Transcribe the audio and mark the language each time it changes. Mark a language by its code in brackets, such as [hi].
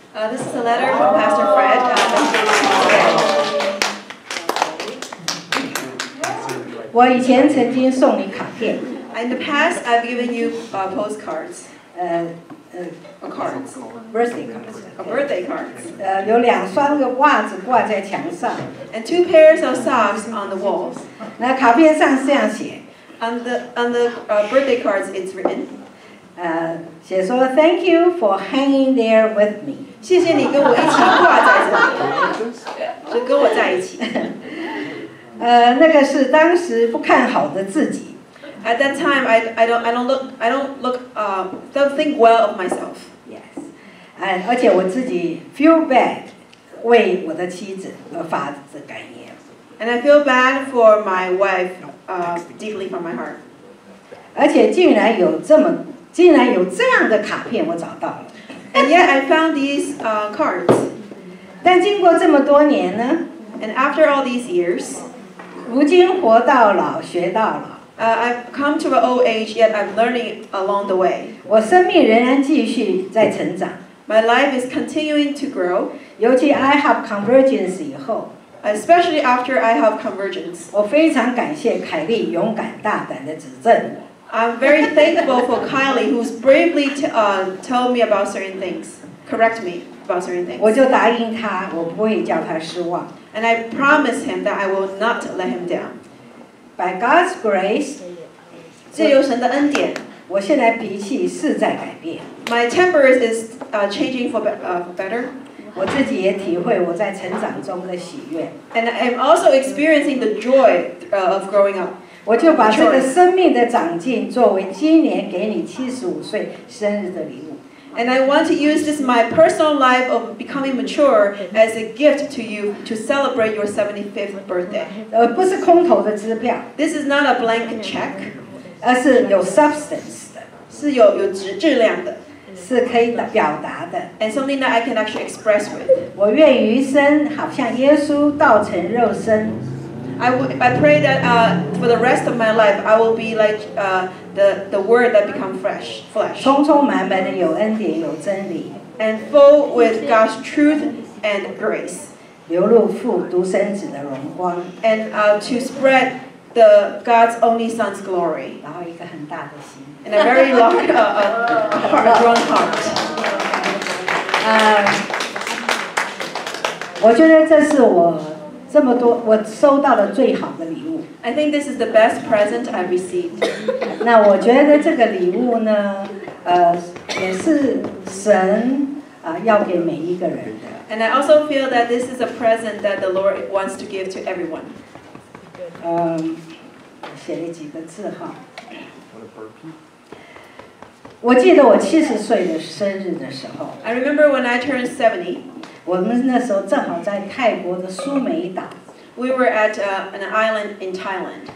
[en] This is a letter from Pastor Fred. Okay. [zh] 我以前曾经送你卡片。 [en] In the past, I've given you postcards. Cards. Birthday cards. Okay. Birthday cards. [zh] 有两双个袜子挂在墙上。 [en] And two pairs of socks on the walls. [zh] 那卡片上这样写。 [en] On the birthday cards, it's written. [zh] 写说 [en] Thank you for hanging there with me. [zh] 谢谢你跟我一起挂在这里，就跟我在一起。那个是当时不看好的自己。 [en] At that time, I don't think well of myself. Yes. [zh] 而且我自己 [en] feel bad [zh] 为我的妻子而发自感言。 [en] And I feel bad for my wife, deeply from my heart. [zh] 而且竟然有这样的卡片，我找到了。 [en] And yet I found these cards. [zh] 但经过这么多年呢 [en] And after all these years, [zh] 如今活到老学到老 [en] I've come to an old age, yet I'm learning along the way. [zh] 我生命仍然继续在成长。 [en] My life is continuing to grow. [zh] 尤其 IHOP Convergence 以后 [en] Especially after IHOP Convergence. [zh] 我非常感谢凯莉勇敢大胆地指正我。 [en] I'm very thankful for Kylie, who's bravely told me about certain things, correct me about certain things. [zh] 我就答应他，我不会叫他失望。 [en] And I promise him that I will not let him down. By God's grace, [zh] 借由神的恩典，我现在脾气是在改变。 [en] My temper is changing for better. [zh] 我自己也体会我在成长中的喜悦。 [en] And I'm also experiencing the joy of growing up. [zh] 我就把这个生命的长进作为今年给你75岁生日的礼物。 [en] And I want to use this my personal life of becoming mature as a gift to you to celebrate your 75th birthday. [zh] 不是空头的支票。 [en] This is not a blank check. [zh] 而是有 substance 的。是有质量的。是可以表达的。 [en] And something that I can actually express with. [zh] 我愿余生好像耶稣道成肉身。 [en] I pray that for the rest of my life, I will be like the word that become fresh, flesh. [zh] 充充满满的有恩典有真理 [en] And full with God's truth and grace. [zh] 流露父独生子的荣光 [en] And to spread the God's only Son's glory. [zh] 然后一个很大的心 [en] And a very long, grown heart. [zh] 我觉得这是我这么多我收到了最好的礼物 [en] I think this is the best present I received [zh] 那我觉得这个礼物呢也是神要给每一个人的 [en] And I also feel that this is a present that the Lord wants to give to everyone [zh] 我写了几个字哈我记得我70岁的生日的时候 [en] I remember when I turned 70 [zh] 我们那时候正好在泰国的苏梅岛。 [en] We were at an island in Thailand.